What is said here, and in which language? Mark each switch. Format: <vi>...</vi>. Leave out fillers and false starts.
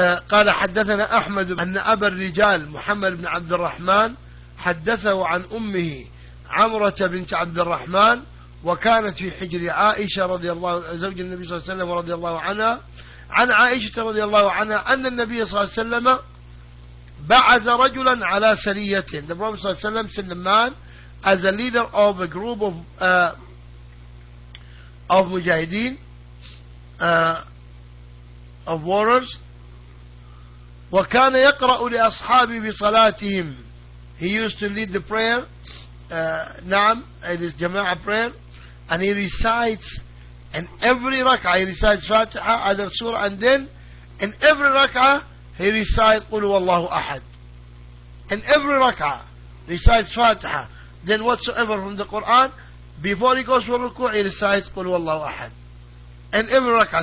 <ar>قال حدثنا أحمد أن أبا الرجال محمد بن عبد الرحمن حدثه عن أمه عمرة بنت عبد الرحمن وكانت في حجر عائشة رضي الله زوج النبي صلى الله عليه وسلم رضي الله عنها, عن عائشة رضي الله عنها أن النبي صلى الله عليه وسلم بعث رجلا على سرية.</ar> <en>The Prophet</en> <ar>صلى الله عليه وسلم</ar> <en>sent a man as a leader of a group of of mujahideen, of warriors.</en> <ar>وكان يقرأ لأصحابه بصلاتهم.</ar> <en>He used to lead the prayer. نعم, it is jama'ah prayer. And he recites in every rak'ah. He recites Fatiha, other surah, and then in every rak'ah he recites</en> <ar>قُلْ وَاللَّهُ أَحَدْ.</ar> <en>In every rak'ah recites Fatiha. Then whatsoever from the Quran, before he goes for ruku, he recites</en> <ar>قُلْ وَاللَّهُ أَحَدْ.</ar> <en>In every rak'ah.</en>